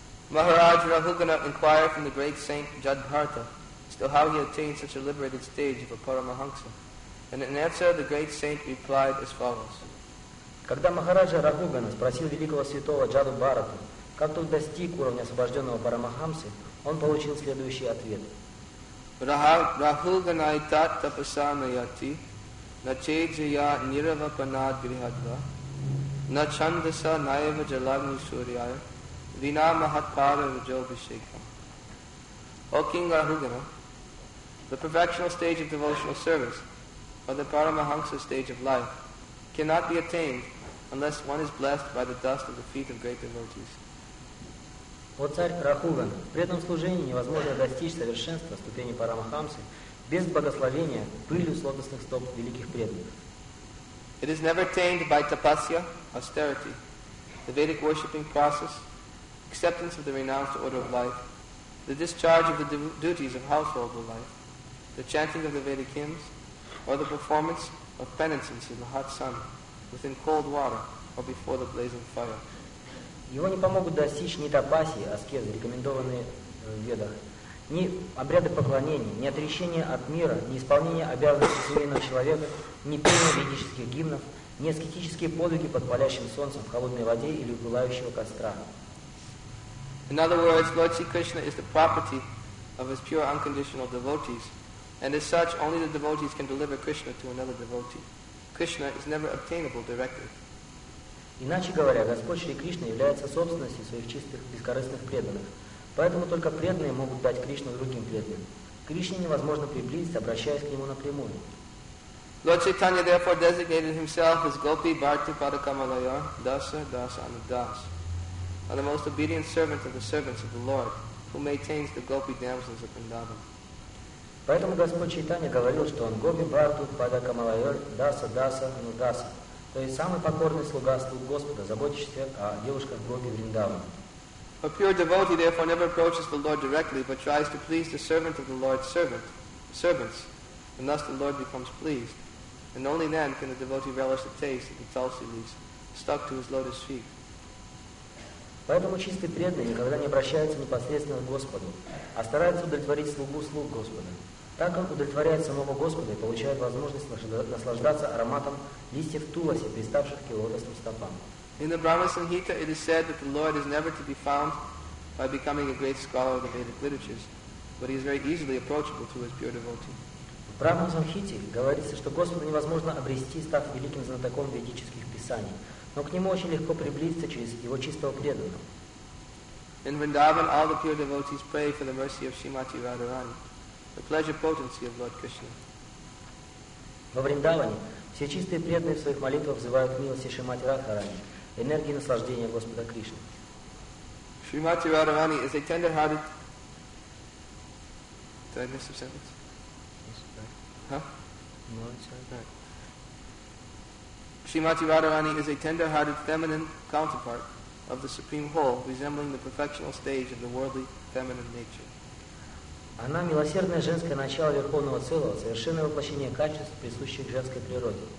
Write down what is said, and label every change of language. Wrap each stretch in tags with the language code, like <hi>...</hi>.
<en>Maharaj Raghugana inquired from the great saint Jadbharata as to how he attained such a liberated stage of a Paramahansa. And in answer, the great saint replied as follows.</en> <ru>Когда Махараджа Рагугана спросил великого святого Джадбхарату, как тот достиг уровня освобожденного Парамахамсы, он получил следующий ответ.</ru> <sa>Rahuganai tat tapasa nayati na chejaya niravapanad grihadva na chandasa naiva jalagni suryaya vina mahatpara vajobhishekha.</sa> <en>O King Rahugana, the perfectional stage of devotional service, or the Paramahamsa stage of life, cannot be attained unless one is blessed by the dust of the feet of great devotees.</en> <ru>О царь Рахуган, при этом служении невозможно достичь совершенства ступени Парамахамсы без благословения пылью с лотосных стоп великих преданных.</ru> <en>It is never attained by tapasya, austerity, the Vedic worshipping process, acceptance of the renounced order of life, the discharge of the duties of household life, the chanting of the Vedic hymns, or the performance of penances in the hot sun, within cold water, or before the blazing fire.</en> <ru>Его не помогут достичь ни тапасии, аскезы, рекомендованные в ведах, ни обряды поклонений, ни отречения от мира, ни исполнение обязанностей семейного человека, ни пение ведических гимнов, ни аскетические подвиги под палящим солнцем, в холодной воде или у пылающего костра.</ru> <en>In other words, Lord Sri Krishna is the property of his pure unconditional devotees, and as such, only the devotees can deliver Krishna to another devotee. Krishna is never obtainable directly.</en> <ru>Иначе говоря, Господь Шри Кришна является собственностью своих чистых, бескорыстных преданных. Поэтому только преданные могут дать Кришну другим преданным. Кришне невозможно приблизиться, обращаясь к Нему напрямую.</ru> <en>Lord Chaitanya therefore designated Himself as</en> <sa>Gopi Bharti Padakamalaya Dasa Dasa Anudas,</sa> <en>the most obedient servant of the servants of the Lord, who maintains the gopi damsels of Vrindavan.</en> <ru>Поэтому Господь Чайтанья говорил, что он</ru> <sa>гопи бхакту пада камалайор даса даса нудаса.</sa> <ru>То есть самый покорный слуга слуг Господа, заботящийся о девушках гопи Вриндавана.</ru> <en>A pure devotee therefore never approaches the Lord directly, but tries to please the servant of the Lord's servants, and thus the Lord becomes pleased. And only then can the devotee relish the taste of the tulsi leaves stuck to his lotus feet.</en> <ru>Поэтому чистый преданный никогда не обращается непосредственно к Господу, а старается удовлетворить слугу слуг Господа. Так он удовлетворяет самого Господа и получает возможность наслаждаться ароматом листьев туласи, приставших к его лотосным стопам.</ru> <en>In the Brahma Sanhita, it is said that the Lord is never to be found by becoming a great scholar of the Vedic literatures, but he is very easily approachable to his pure devotee.</en> <ru>В Брахма Санхите говорится, что Господа невозможно обрести, став великим знатоком ведических писаний, но к нему очень легко приблизиться через его чистого преданного.</ru> <en>In Vrindavan, all the pure devotees pray for the mercy of Srimati Radharani, the pleasure potency of Lord Krishna.</en> <ru>Во Вриндаване все чистые преданные в своих молитвах взывают к милости Шримати Радхарани, энергии наслаждения Господа Кришны.</ru> <en>Шримати Радхарани is a tender-hearted... Did I miss some sentence? Srimati Radharani is a tender-hearted feminine counterpart of the Supreme Whole, resembling the perfectional stage of the worldly feminine nature.</en> <ru>Она милосердное женское начало верховного целого, совершенное воплощение качеств, присущих женской природе.</ru>